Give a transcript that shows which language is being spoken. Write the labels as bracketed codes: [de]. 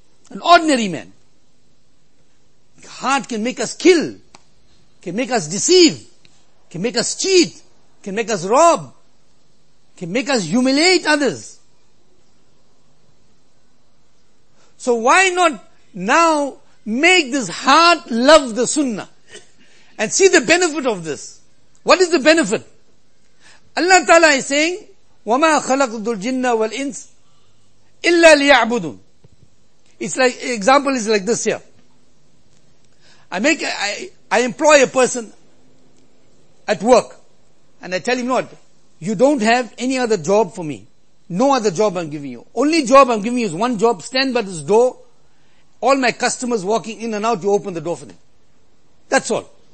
[en] An ordinary man. The heart can make us kill, can make us deceive, can make us cheat, can make us rob, can make us humiliate others. So why not now make this heart love the sunnah and see the benefit of this? What is the benefit? Allah Ta'ala is saying, [ar] وَمَا خَلَقْتُ الْجِنَّ وَالْإِنسِ إِلَّا لِيَعْبُدُونَ. [en] It's like, example is like this here. I employ a person at work. And I tell him, what? You don't have any other job for me. No other job I'm giving you. Only job I'm giving you is one job. Stand by this door. All my customers walking in and out, you open the door for them. That's all.